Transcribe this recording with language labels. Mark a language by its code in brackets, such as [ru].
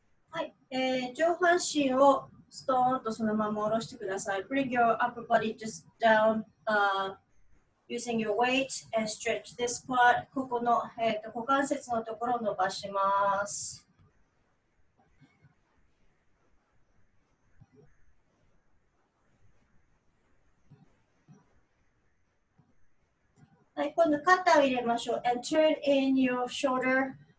[ja] はい、上半身をストーンとそのまま下ろしてください。 [en] Bring your upper body just down, using your weight and stretch this part. [ja] ここの、股関節のところを伸ばします。はい、今度肩を入れましょう。 [en] And turn in your shoulder.